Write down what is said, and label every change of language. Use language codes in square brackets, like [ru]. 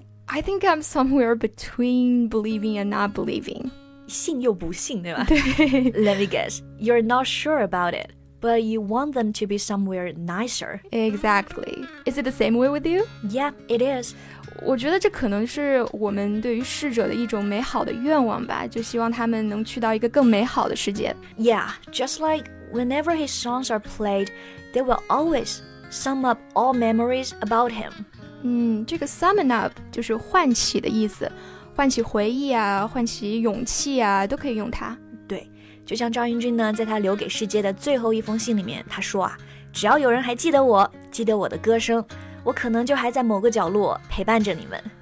[en] I think I'm somewhere between believing and not believing. [zh] 信又不信，对吧？对。 [en] Let me guess. You're not sure about it. But you want them to be somewhere nicer. Exactly. Is it the same way with you? Yeah, it is. [zh] 我觉得这可能是我们对于逝者的一种美好的愿望吧，就希望他们能去到一个更美好的世界。 [en] Yeah, just like whenever his songs are played, they will always sum up all memories about him. [zh] 这个 summon up 就是唤起的意思，唤起回忆啊，唤起勇气啊，都可以用它。对。就像赵英俊呢，在他留给世界的最后一封信里面，他说啊，只要有人还记得我，记得我的歌声，我可能就还在某个角落陪伴着你们。